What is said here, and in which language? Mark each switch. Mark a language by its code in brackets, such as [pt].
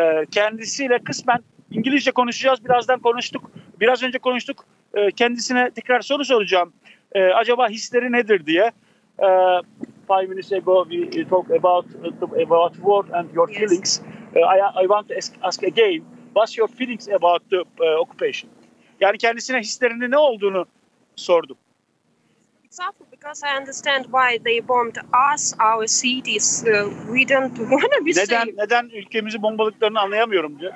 [tr] Kendisiyle kısmen İngilizce konuşacağız. Biraz önce konuştuk. Kendisine tekrar soru soracağım. Acaba hisleri nedir diye. [en] 5 minutes ago we talked about war and your feelings. I want to ask again. What's your feelings about the occupation? [tr] Yani kendisine hislerini ne olduğunu sordum. [en] It's awful because I understand why they bombed us, our cities. We don't want to be saved. [tr] Neden ülkemizi bombaladıklarını anlayamıyorum diyor.